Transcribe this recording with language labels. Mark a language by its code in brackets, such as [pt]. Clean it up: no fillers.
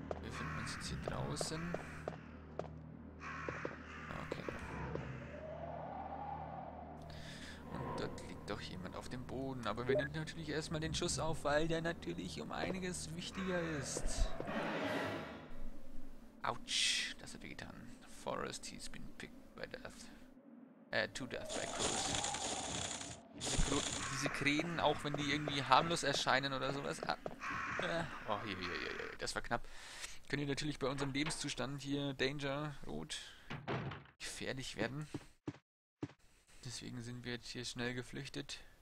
[de] Finden wir uns jetzt hier draußen. Okay. Und dort liegt doch jemand auf dem Boden. Aber wir nehmen natürlich erstmal den Schuss auf, weil der natürlich um einiges wichtiger ist. Autsch, das hat wehgetan. [en] Forrest, he's been picked by death. To death by crows. [de] Diese Krähen, auch wenn die irgendwie harmlos erscheinen oder sowas. Oh, hier, das war knapp. Können wir natürlich bei unserem Lebenszustand hier Danger, Rot, gefährlich werden. Deswegen sind wir jetzt hier schnell geflüchtet.